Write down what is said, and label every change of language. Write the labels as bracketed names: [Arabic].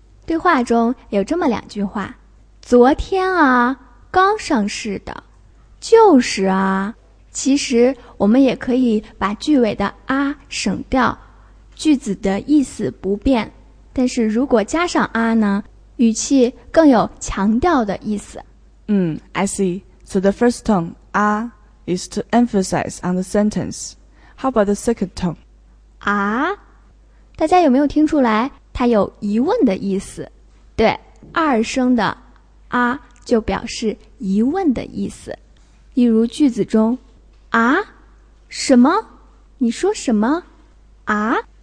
[Chinese] 对话中有这么两句话，昨天啊刚上市的，就是啊。其实我们也可以把句尾的啊省掉，句子的意思不变，但是如果加上啊呢，语气更有强调的意思。 [English] I see. So the first tone, ah, is to emphasize on the sentence. How about the second tone? [Chinese] 啊？大家有没有听出来它有疑问的意思？对，二声的啊就表示疑问的意思。例如句子中，啊？什么？你说什么？啊？